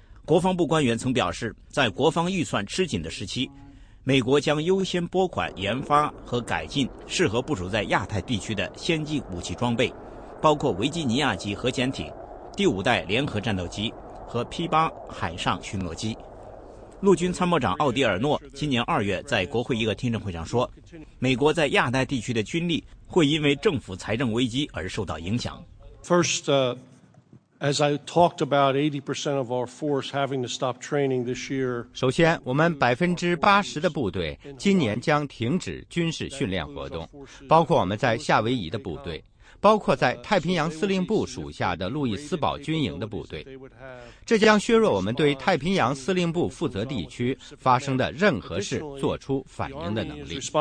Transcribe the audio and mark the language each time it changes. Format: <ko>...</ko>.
<zh>国防部官员曾表示，在国防预算吃紧的时期，美国将优先拨款研发和改进适合部署在亚太地区的先进武器装备，包括维吉尼亚级核潜艇、第五代联合战斗机和 P8 海上巡逻机。陆军参谋长奥迪尔诺今年2月在国会一个听证会上说，美国在亚太地区的军力会因为政府财政危机而受到影响。</zh> <en>First, as I talked about, 80% of our force having to stop training this year.</en> <zh>首先，我们80%的部队今年将停止军事训练活动，包括我们在夏威夷的部队，包括在太平洋司令部属下的路易斯堡军营的部队。这将削弱我们对太平洋司令部负责地区发生的任何事做出反应的能力。</zh>